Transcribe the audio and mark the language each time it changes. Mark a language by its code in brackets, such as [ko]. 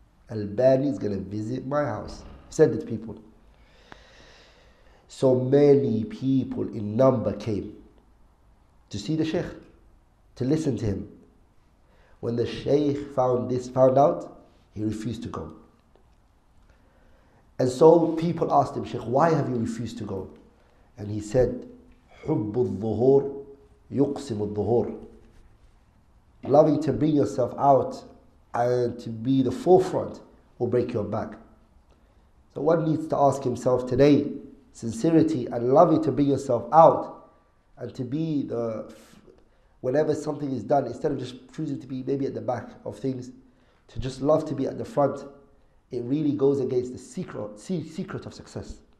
[en] Al-Bani is going to visit my house. He said it to people. So many people in number came to see the Shaykh, to listen to him. When the Shaykh found out, he refused to go. And so people asked him, Shaykh, why have you refused to go? [ar] And he said, حُبُّ الظُّهُورُ يُقْسِمُ الظُّهُورُ. [en] Loving to bring yourself out and to be the forefront will break your back. So one needs to ask himself today, sincerity and loving to bring yourself out and to be the, whenever something is done, instead of just choosing to be maybe at the back of things, to just love to be at the front, it really goes against the secret of success.